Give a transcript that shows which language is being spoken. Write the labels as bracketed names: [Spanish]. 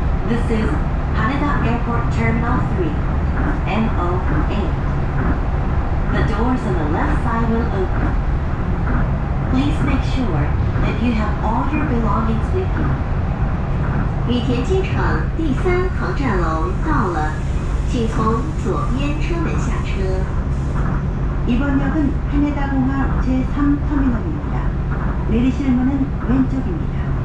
[English] This is Haneda Airport Terminal 3, MO8. The doors on the left side will open. Please make sure that you have all your belongings with you. [Chinese] 羽田机场第三航站楼到了，请从左边车门下车。 [Korean] 이번 역은 하네다 공항 제3 터미널입니다. 내리실 문은 왼쪽입니다.